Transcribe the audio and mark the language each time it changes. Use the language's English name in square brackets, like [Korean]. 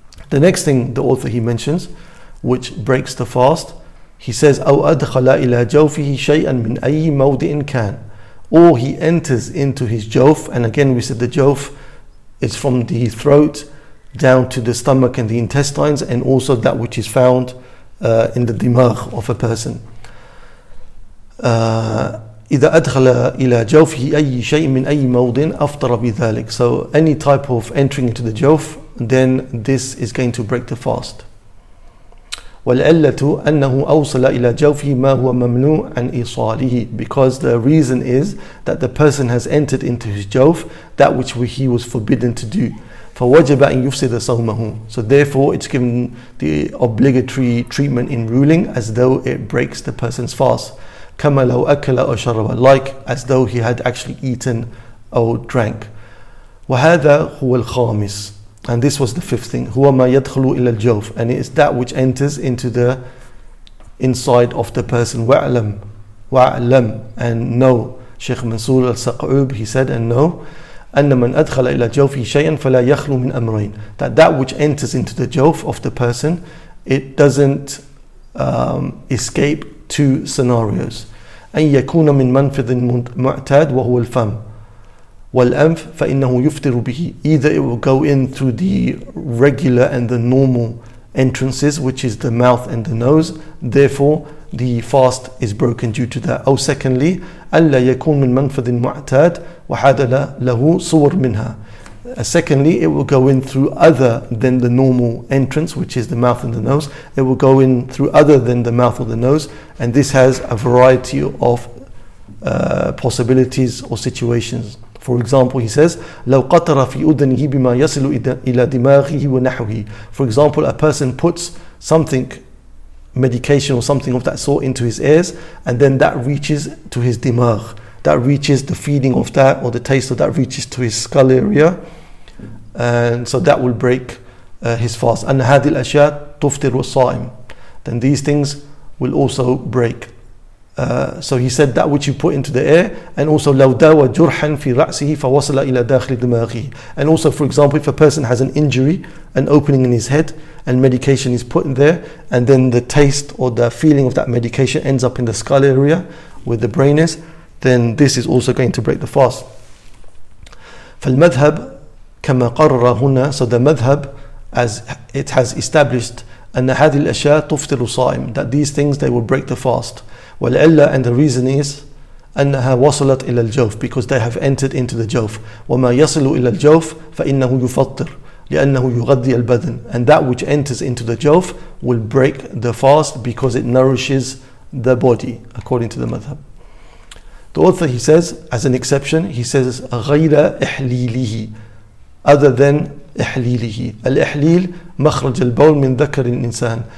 [English] The next thing the author he mentions, which breaks the fast, he says [Arabic] أو أدخل إلى جوفه شيئا من أي موضع كان. [English] Or he enters into his jawf, and again we said the jawf is from the throat down to the stomach and the intestines, and also that which is found in the dimagh of a person. [Arabic] إذا أدخل إلى جوفه أي شيء من أي موضع أفطر بذلك. [English] So any type of entering into the jawf, then this is going to break the fast. [Arabic] والعلة أنه أوصل إلى جوفه ما هو ممنوع عن إيصاله. [English] Because the reason is that the person has entered into his jawf that which he was forbidden to do. [Arabic] فوجب أن يفسد صومه. [English] So therefore it's given the obligatory treatment in ruling as though it breaks the person's fast. [Arabic] كما لو أكل أو شرب, [English] like as though he had actually eaten or drank. [Arabic] وهذا هو الخامس. [English] And this was the fifth thing. [Arabic] هو ما يدخل إلى الجوف. [English] And it is that which enters into the inside of the person. [Arabic] وعلم. وعلم. [English] And know. Sheikh Mansur al-Saq'ub, he said, and know. [Arabic] أن من أدخل إلى جوفه شيئا فلا يخلو من أمرين. [English] That which enters into the jawf of the person, it doesn't escape two scenarios. [Arabic] أن يكون من منفذ معتاد وهو الفم. والأنف فإنه يفطر به. [English] Either it will go in through the regular and the normal entrances, which is the mouth and the nose, therefore the fast is broken due to that. أو secondly, [Arabic] ألا يكون من منفذ معتاد وحاد له صور منها. [English] Secondly, it will go in through other than the normal entrance, which is the mouth and the nose. It will go in through other than the mouth or the nose, and this has a variety of possibilities or situations. For example, he says, [Arabic] لو قطر في أذنه بما يصل إلى دماغه ونحوه. [English] For example, a person puts something, medication or something of that sort, into his ears, and then that reaches to his dimag. That reaches the feeling of that, or the taste of that reaches to his skull area, and so that will break his fast. [Arabic] أن هذه الأشياء تفطر الصائم. [English] Then these things will also break. So he said that which you put into the air, and also [Arabic] لو داوى جرحا في رأسه فوصل إلى داخل دماغه. [English] And also, for example, if a person has an injury, an opening in his head, and medication is put in there, and then the taste or the feeling of that medication ends up in the skull area where the brain is, then this is also going to break the fast. [Arabic] فالمذهب كما قرر هنا. [English] So the madhab, as it has established, [Arabic] أن هذه الأشياء تفطر الصائم, [English] that these things, they will break the fast. والعلة, and the reason is, [Arabic] أنها وصلت إلى الجوف, [English] because they have entered into the jawf. [Arabic] وما يصل إلى الجوف فإنه يفطر لأنه يغذي البدن. [English] And that which enters into the jawf will break the fast because it nourishes the body, according to the madhab. The author, he says, as an exception, he says [Arabic] غير إحليله, [English] other than إحليله. [Arabic] الإحليل مخرج البول من ذكر الإنسان.